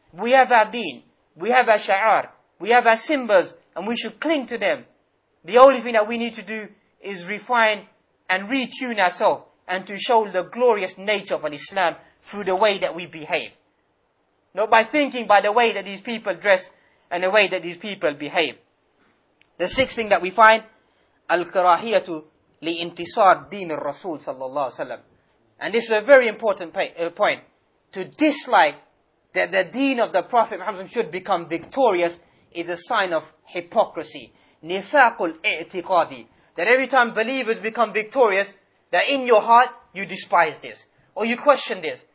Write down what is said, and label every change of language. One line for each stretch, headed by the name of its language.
English: We have our deen, we have our sha'ar, we have our symbols, and we should cling to them. The only thing that we need to do is refine and retune ourselves, and to show the glorious nature of an Islam through the way that we behave. Not by thinking, by the way that these people dress, and the way that these people behave. The sixth thing that we find,
Arabic: الْكَرَاهِيَةُ لِإِنْتِصَارْ دِينِ الرَّسُولِ صَلَّى اللَّهُ عَلَيْهِ وَسَلَّمُ.
English: And this is a very important point. To dislike that the deen of the Prophet Muhammad should become victorious is a sign of hypocrisy.
Arabic: نِفَاقُ الْإِعْتِقَادِ.
English: That every time believers become victorious, that in your heart, you despise this. Or you question this.